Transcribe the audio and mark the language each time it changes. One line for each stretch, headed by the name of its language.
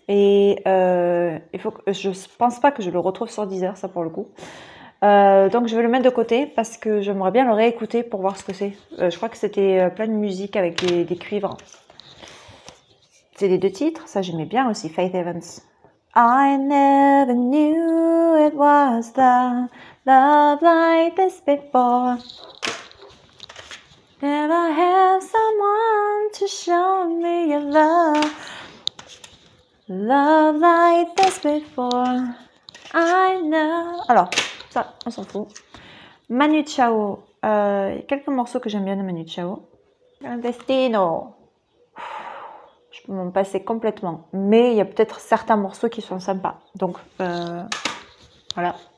French: Et je pense pas que je le retrouve sur Deezer, ça pour le coup. Donc je vais le mettre de côté parce que j'aimerais bien le réécouter pour voir ce que c'est. Je crois que c'était plein de musique avec des cuivres. C'est les deux titres, ça j'aimais bien aussi, Faith Evans.
English: I never knew it was the love like this before. Never have someone to show me your love. Love like this before. I know.
French: Alors, ça, on s'en fout. Manu Chao, quelques morceaux que j'aime bien de Manu Chao. Clandestino. M'en passer complètement, mais il y a peut-être certains morceaux qui sont sympas, donc voilà.